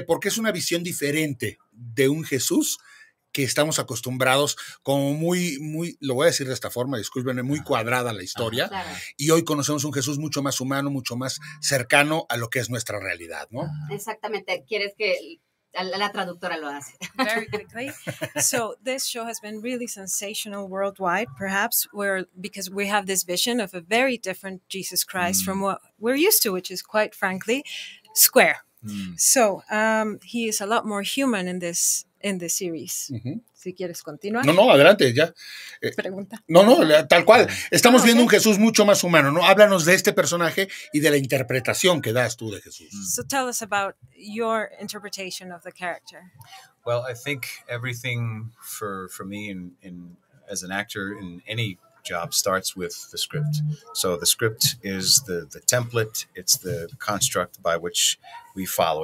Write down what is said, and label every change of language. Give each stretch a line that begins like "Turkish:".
Spanish: Porque es una visión diferente de un Jesús que estamos acostumbrados, como muy, muy, lo voy a decir de esta forma, discúlpenme, muy cuadrada la historia. Ajá, claro. Y hoy conocemos un Jesús mucho más humano, mucho más cercano a lo que es nuestra realidad, ¿no? Exactamente. ¿Quieres que...? La traductora lo hace.
English: Very quickly. So this show has been really sensational worldwide, perhaps because we have this vision of a very different Jesus Christ from what we're used to, which is quite frankly square. So he is a lot more human in this series. Mm-hmm.
Spanish: Si quieres continuar. No, adelante, ya. Pregunta. No, tal cual. Estamos viendo un Jesús mucho más humano, ¿no? Háblanos de este personaje y de la interpretación que das tú de Jesús.
English: So tell us about your interpretation of the character. Well, I think everything for me in as an actor in any job starts with the script. So the script is the template, it's the construct by which we follow.